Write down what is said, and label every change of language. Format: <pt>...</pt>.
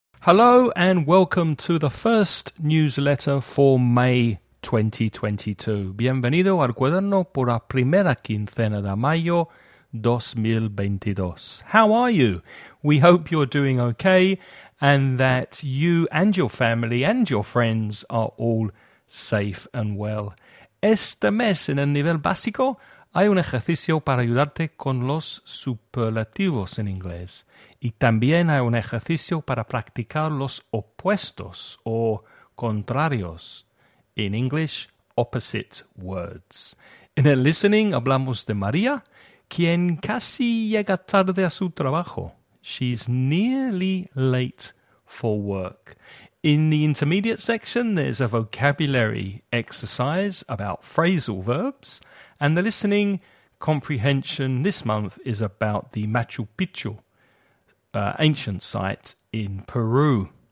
<en>Hello and welcome to the first newsletter for May 2022.</en> <es>Bienvenido al cuaderno por la primera quincena de mayo 2022.</es> <en>How are you? We hope you're doing okay and that you and your family and your friends are all safe and well.</en> <es>Este mes en el nivel básico hay un ejercicio para ayudarte con los superlativos en inglés. Y también hay un ejercicio para practicar los opuestos o contrarios.</es> <en>In English, opposite words.</en> <es>En el listening hablamos de María, quien casi llega tarde a su trabajo.</es> <en>She's nearly late for work. In the intermediate section, there's a vocabulary exercise about phrasal verbs. And the listening comprehension this month is about the Machu Picchu, ancient site in Peru.</en>